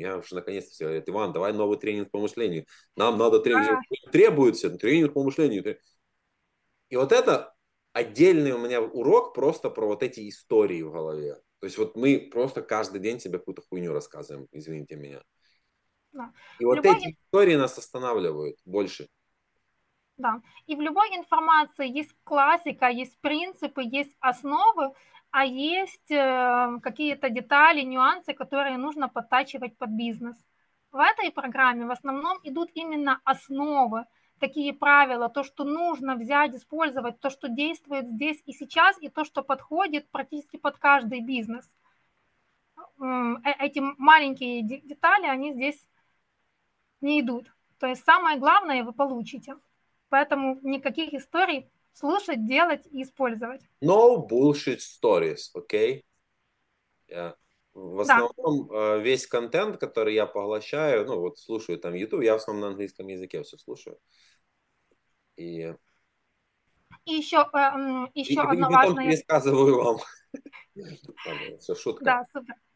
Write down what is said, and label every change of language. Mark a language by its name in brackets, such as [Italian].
[Ukrainian] Я вже наконец-то все, Іван, давай новий тренінг по мисленню. Нам треба требується тренінг по мисленню. І от це окремий у мене урок просто про вот эти історії в голові. Тобто от ми просто кожен день себе какую-то хуйню розказуємо, извините мене. І от [Russian] Любой [Ukrainian] ці історії нас останавливають більше. [Russian] да. И в любой информации есть классика, есть принципы, есть основы, а есть какие-то детали, нюансы, которые нужно подтачивать под бизнес. В этой программе в основном идут именно основы, такие правила, то, что нужно взять, использовать, то, что действует здесь и сейчас, и то, что подходит практически под каждый бизнес. Эти маленькие детали, они здесь не идут. То есть самое главное вы получите. Поэтому никаких историй слушать, делать и использовать. [English] No bullshit stories, окей? Okay? В [Russian] Да. основном весь контент, который я поглощаю, ну вот слушаю там YouTube, я в основном на английском языке все слушаю. И еще одно И потом важное. пересказываю вам. Ладно, все шутка. Да, супер.